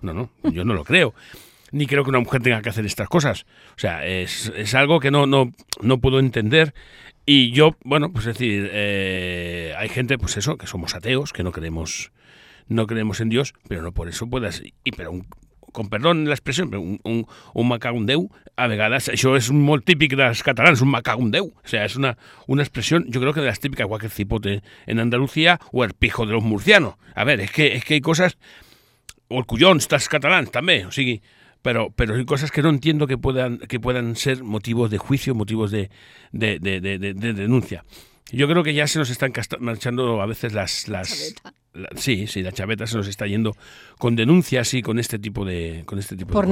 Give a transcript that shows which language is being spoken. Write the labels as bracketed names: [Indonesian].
[Spanish] No, yo no lo creo. Ni creo que una mujer tenga que hacer estas cosas. O sea, es algo que no puedo entender. Y yo, bueno, pues es decir, hay gente, pues eso, que somos ateos, que no creemos en Dios, pero no por eso puedas... Con perdón la expresión, pero [Catalan] un macagundeu, a vegades, això és molt típic dels catalans, un macagundeu. [Spanish] O sea, [Catalan] és una expressió, jo crec que de les típiques, [Spanish] igual que el cipote en Andalucía o el pijo de los murcianos. A ver, [Catalan] és que hi ha coses... O el collons, dels catalans, també. O sigui, [Spanish] pero hay cosas que no entiendo que puedan ser motivos de juicio, motivos de denuncia. Yo creo que ya se nos están marchando a veces las la, sí, sí, la chaveta se nos está yendo con denuncias y con este tipo de por de